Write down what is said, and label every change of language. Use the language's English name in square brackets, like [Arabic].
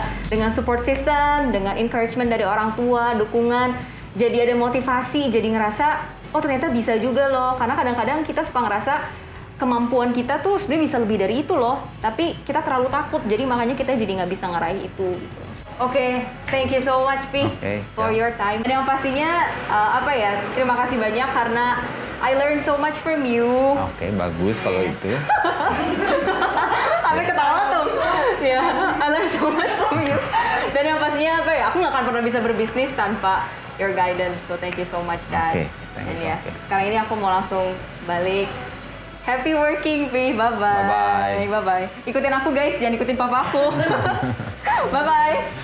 [Indonesian] Dengan support system, dengan encouragement dari orang tua, dukungan, jadi ada motivasi, jadi ngerasa, oh ternyata bisa juga loh. Karena kadang-kadang kita suka ngerasa, kemampuan kita tuh sebenarnya bisa lebih dari itu loh. Tapi kita terlalu takut, jadi makanya kita jadi gak bisa ngeraih itu. [English] Oke, okay, thank you so much, Pi, for your time. [Indonesian] Dan yang pastinya, terima kasih banyak karena [English] I learned so much from you. [Indonesian] Oke, okay, bagus kalau itu. Sampai ketawa tuh. [English] Ya, yeah, I learned so much from you. [Indonesian] Dan yang pastinya, apa ya, aku gak akan pernah bisa berbisnis tanpa [English] your guidance. So, thank you so much, Dad. Oke, okay, thank you. And yeah, okay. [Indonesian] Sekarang ini aku mau langsung balik. [English] Happy working, Pi. Bye-bye. Bye-bye. [Indonesian] Ikutin aku, guys. Jangan ikutin papa aku. Bye-bye.